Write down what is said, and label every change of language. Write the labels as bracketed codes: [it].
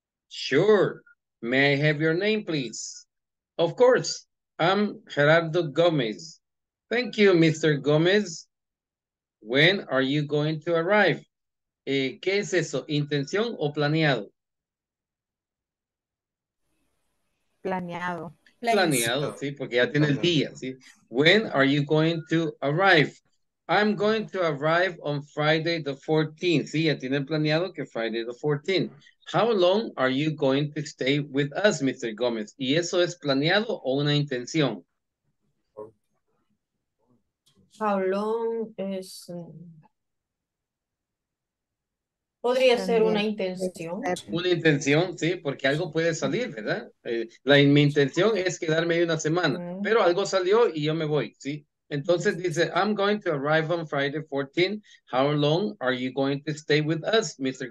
[en] Sure, may I have your name, please? Of course, I'm Gerardo Gomez. Thank you, Mr. Gomez. When are you going to arrive? [es] ¿Qué es eso, intención o planeado? Planeado. Planeado, sí, porque ya tiene el día, sí. [en] When are you going to arrive? I'm going to arrive on Friday the 14th. [es] Sí, ya tienen planeado que [en] Friday the 14th. How long are you going to stay with us, Mr. [es] Gomez? ¿Y eso es planeado o una intención? [en] How long is... [es] Podría ser una intención. Una intención, sí, porque algo puede salir, ¿verdad? Mi intención es quedarme una semana, pero algo salió y yo me voy, ¿sí? Entonces dice, [en] I'm going to arrive on Friday 14th. How long are you going to stay with us, Mr.